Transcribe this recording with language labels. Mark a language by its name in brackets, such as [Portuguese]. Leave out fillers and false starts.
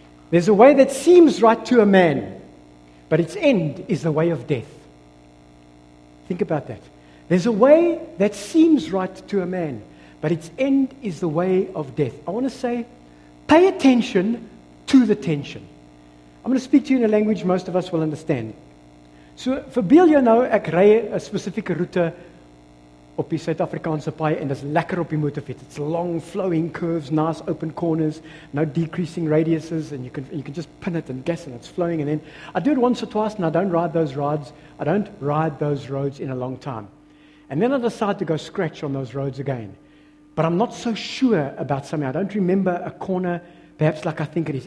[English] There's a way that seems right to a man, but its end is the way of death. Think about that. There's a way that seems right to a man, but its end is the way of death. I want to say, pay attention to the tension. I'm going to speak to you in a language most of us will understand. [Afrikaans] So, vir beel jou nou, ek ry 'n spesifieke roete op die Suid-Afrikaanse paai en dis lekker op die motorfiets. [English] It's long flowing curves, nice open corners, no decreasing radiuses, and you can just pin it and guess and it's flowing, and then I do it once or twice and I don't ride those roads in a long time. And then I decide to go scratch on those roads again. But I'm not so sure about something. I don't remember a corner perhaps like I think it is.